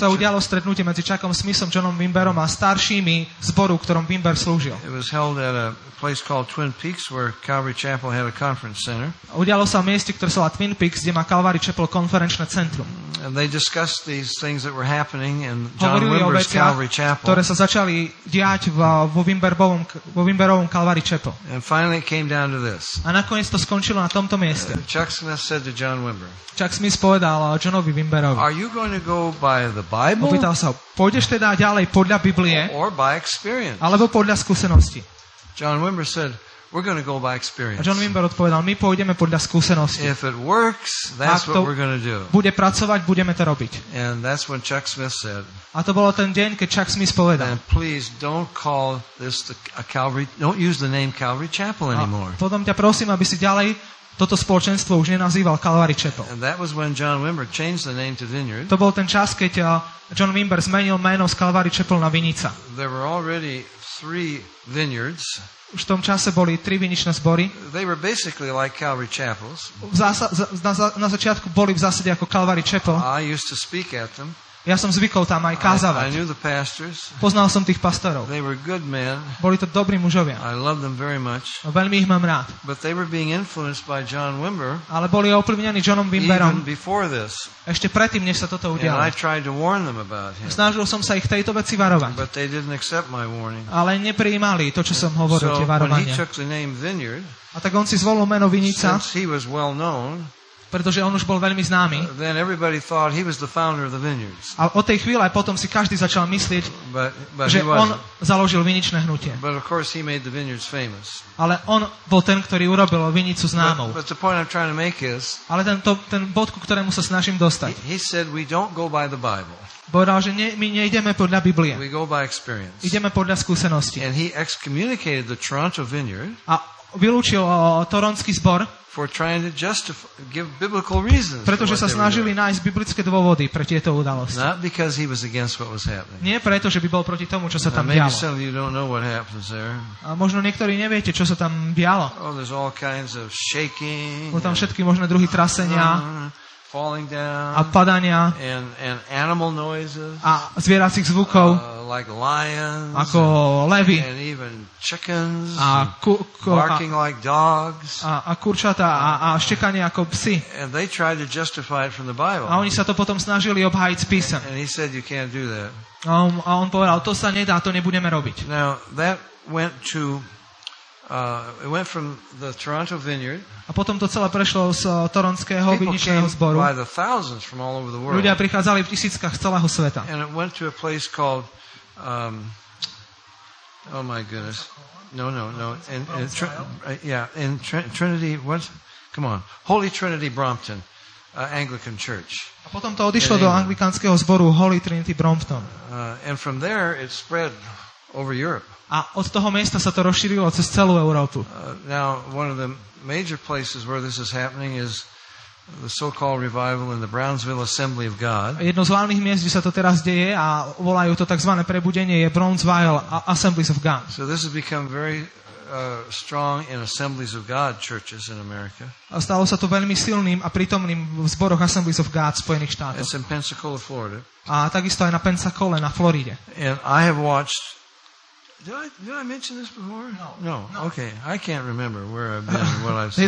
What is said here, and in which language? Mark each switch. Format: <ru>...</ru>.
<sk>sa udialo stretnutie medzi Chuckom Smithom, Johnom Wimberom a staršími zboru, ktorom Wimber slúžil.</sk> <en>It was held at a place called Twin Peaks where Calvary Chapel had a conference center.</en> <sk>Udialo sa v mieste, ktoré sa volá Twin Peaks, kde má Calvary Chapel konferenčné centrum.</sk> <en>And they discussed these things that were happening in John Wimber's Calvary Chapel.</en> <sk>Ktoré sa začali diať vo Wimberovom Calvary Chapel.</sk> <en>And finally it came down to this.</en> <sk>A nakoniec to skončilo na tomto mieste.</sk> <en>Chuck Smith said to John Wimber.</en> <sk>Chuck Smith povedal Johnovi Wimberovi.</sk> <en>Are you going to go by the Bible?</en> <sk>Opýtal sa, pôjdeš teda ďalej podľa Biblie?</sk> <en>Or by experience?</en> <sk>Alebo podľa skúsenosti?</sk> <en>John Wimber said, we're going to go by experience.</en> <sk>A John Wimber odpovedal, my pôjdeme podľa skúsenosti.</sk> <en>If it works, that's what we're going to do.</en> <sk>Bude pracovať, budeme to robiť.</sk> <en>And that's when Chuck Smith said.</en> <sk>A to bolo ten deň, keď Chuck Smith povedal.</sk> <en>And please don't call this a Calvary, don't use the name Calvary Chapel anymore.</en> <sk>A potom ťa prosím, aby si ďalej toto spoločenstvo už nenazýval Calvary Chapel.</sk> <en>And that was when John Wimber changed the name to Vineyard.</en> <sk>To bol ten čas, keď John Wimber zmenil meno z Calvary Chapel na Vinica.</sk> <en>There were already three vineyards.</en> <sk>Už v tom čase boli tri viničné zbory.</sk> <en>They were basically like Calvary Chapels.</en> <sk>Na začiatku boli v zásade ako Calvary Chapel.</sk> <en>I used to speak at them.</en> <sk>Ja som zvykol tam aj kázavať.</sk> <en>I knew the pastors.</en> <sk>Poznal som tých pastorov.</sk> <en>They were good men.</en> <sk>Boli to dobrí mužovia.</sk> <en>I loved them very much.</en> <sk>Veľmi ich mám rád.</sk> <en>But they were being influenced by John Wimber.</en> <sk>Ale boli ovplyvnení Johnom Wimberom.</sk> <en>Even before this.</en> <sk>Ešte predtým, než sa toto udialo.</sk> <en>And I tried to warn them about him.</en> <sk>Snažil som sa ich tejto veci varovať.</sk> <en>But they didn't accept my warning.</en> <sk>Ale neprijímali to, čo som hovoril, tie varovania.</sk> <en>So when he took the name Vineyard,</en> <sk>a tak on si zvolil meno Vinica.</sk> <en>Since he was well known,</en> <sk>pretože on už bol veľmi známy.</sk> <en>Then everybody thought he was the founder of the vineyards.</en> <sk>A od tej chvíle aj potom si každý začal myslieť,</sk> <en>but</en> <sk>že on založil viničné hnutie.</sk> <en>But of course he made the vineyards famous.</en> <sk>Ale on bol ten, ktorý urobil vinicu známou.</sk> <en>But the point I'm trying to make is,</en> <sk>ale ten bod, ku ktorému sa snažím dostať.</sk> <en>He said we don't go by the Bible.</en> <sk>Povedal, že my nejdeme podľa Biblie.</sk> <en>We go by experience.</en> <sk>Ideme podľa skúsenosti.</sk> <en>And he excommunicated the Toronto vineyard.</en> <sk>A vylúčil toronský zbor.</sk> <en>For trying to justify, give biblical reasons.</en> <sk>Pretože sa snažili nájsť biblické dôvody pre tieto udalosti.</sk> <en>Not because he was against what was happening.</en> <sk>Nie preto, že by bol proti tomu, čo sa tam dialo.</sk> <en>Maybe some of you don't know what happens there.</en> <sk>A možno niektorí neviete, čo sa tam dialo.</sk> <en>Oh, there's all kinds of shaking.</en> <sk>Bolo tam všetky možné druhy trasenia.</sk> <en>Falling down.</en> <sk>A padania.</sk> <en>And animal noises.</en> <sk>A zvieracích zvukov.</sk> <en>Like lions.</en> <sk>Ako levy.</sk> <en>And even chickens.</en> <sk>A</sk> <en>barking like dogs.</en> <sk>A kurčatá a štekanie ako psi.</sk> <en>And they tried to justify it from the Bible.</en> <sk>A oni sa to potom snažili obhájiť z písma.</sk> <en>And he said you can't do that.</en> <sk>A on povedal, to sa nedá, to nebudeme robiť.</sk> <en>Now that went to it went from the Toronto vineyard.</en> <sk>A potom to celé prešlo z toronského viničného zboru.</sk> <en>People came by the thousands from all over the world.</en> <sk>Ľudia prichádzali v tisíckach z celého sveta.</sk> <en>And it went to a place called oh my goodness. No. Trinity, what? Come on. Holy Trinity Brompton Anglican Church.</en> <sk>A potom to odišlo do anglikánskeho zboru Holy Trinity Brompton.</sk> <en>And from there it spread over Europe.</en> <sk>A od toho miesta sa to rozšírilo cez celú Európu.</sk> <en>Now one of the major places where this is happening is the so-called revival in the Brownsville Assembly of God.</en> <sk>Jedno z hlavných miest, kde sa to teraz deje a volajú to takzvané prebudenie, je Brownsville Assemblies of God.</sk> <en>So this has become very strong in Assemblies of God churches in America.</en> <sk>A stalo sa to veľmi silným a prítomným v zboroch Assemblies of God v Spojených štátoch.</sk> <en>It's in Pensacola, Florida.</en> <sk>A takisto aj na Pensacole na Floride.</sk> <en>And I have watched. Did I mention this before? No. Okay. I can't remember where I've been or what I've said.</en>